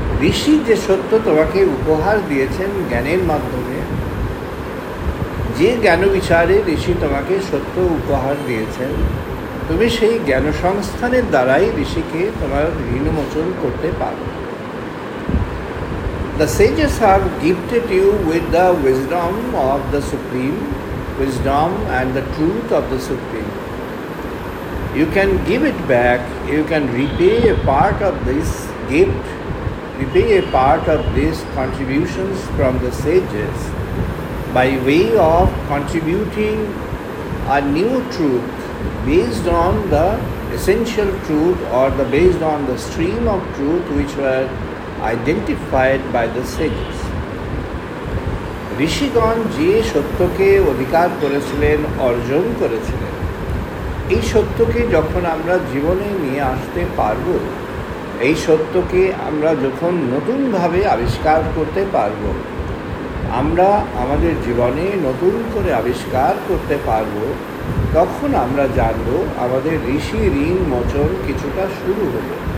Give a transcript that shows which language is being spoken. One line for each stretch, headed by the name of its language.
Bangla: ঋষি যে সত্য তোমাকে উপহার দিয়েছেন জ্ঞানের মাধ্যমে, যে জ্ঞান বিচারে ঋষি তোমাকে সত্য উপহার দিয়েছেন, তুমি সেই জ্ঞান সংস্থানের দ্বারাই ঋষিকে তোমার ঋণ মোচন করতে পারো।
English: The sages have gifted you with the wisdom of the supreme, wisdom and the truth of the supreme. You can give it back, you can repay a part of this gift, repay a part of these contributions from the sages by way of contributing a new truth based on the essential truth or the based on the stream of truth which were identified by the sages.
Bangla: Rishigan je shottoke odhikar korechilen, arjon korechilen, এই সত্যকে যখন আমরা জীবনে নিয়ে আসতে পারব, এই সত্যকে আমরা যখন নতুনভাবে আবিষ্কার করতে পারব, আমরা আমাদের জীবনে নতুন করে আবিষ্কার করতে পারব, তখন আমরা জানব আমাদের ঋষি ঋণ মোচন কিছুটা শুরু হলো।